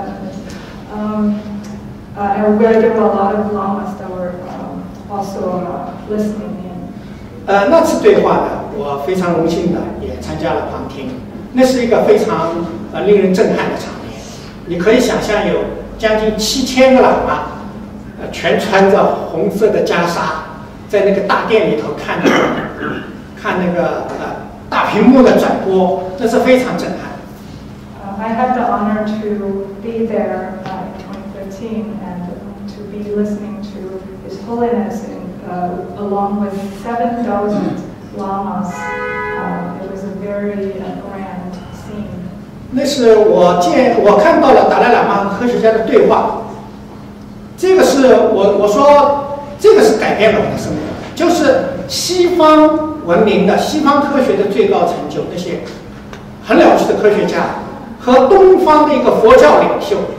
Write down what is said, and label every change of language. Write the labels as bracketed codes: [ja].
[en] And where there were a lot of lamas that were also listening in. [zh] 那次对话呢，我非常荣幸的也参加了旁听。那是一个非常令人震撼的场面。你可以想象有将近7000个喇嘛，全穿着红色的袈裟，在那个大殿里头看那个看那个大屏幕的转播，那是非常震撼。 [en] I had the honor to be there. And to be listening to His Holiness in, along with 7,000 lamas. It was a very grand scene. [zh] 那是我看到了达赖喇嘛和科学家的对话。这个是我说这个是改变了我的生命，就是西方文明的西方科学的最高成就，那些很了不起的科学家和东方的一个佛教领袖。